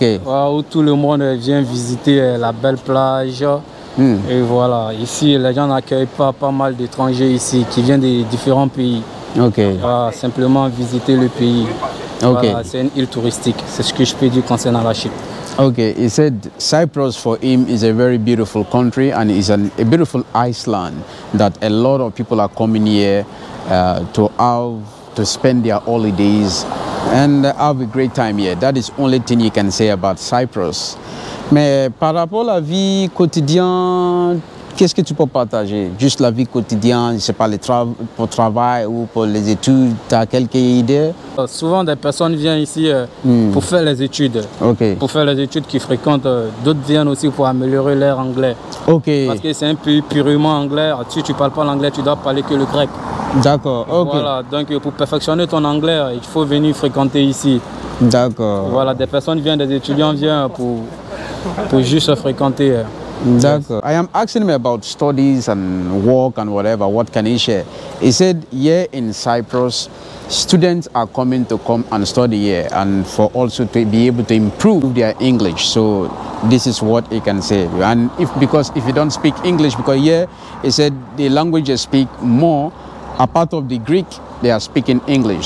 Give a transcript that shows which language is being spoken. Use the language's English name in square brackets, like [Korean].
[French] Ouais, où tout le monde vient visiter la belle plage. Et voilà, ici, les gens n'accueillent pas mal d'étrangers ici qui viennent de différents pays. Ok. Simplement visiter le pays. Ok. Voilà, c'est une île touristique, c'est ce que je peux dire concernant la Chypre. [English] Okay, he said Cyprus for him is a very beautiful country and is a beautiful island that a lot of people are coming here to spend their holidays and have a great time here. That is only thing you can say about Cyprus. [French] Mais par rapport à la vie quotidienne, qu'est-ce que tu peux partager? Juste la vie quotidienne, c'est pas pour travail ou pour les études, tu as quelques idées? Souvent des personnes viennent ici pour faire les études. Okay. Pour faire les études qu'ils fréquentent, d'autres viennent aussi pour améliorer leur anglais. Okay. Parce que c'est un pays purement anglais. Si tu ne parles pas l'anglais, tu dois parler que le grec. D'accord. Okay. Voilà. Donc pour perfectionner ton anglais, il faut venir fréquenter ici. D'accord. Voilà, des personnes viennent, des étudiants viennent pour juste fréquenter. D'accord. [English] Yes. I am asking him about studies and work and whatever. What can he share? He said, here in Cyprus, students are coming to come and study here and for also to be able to improve their English. So this is what he can say. And if you don't speak English, because here he said the language you speak more, apart of the Greek, they are speaking English.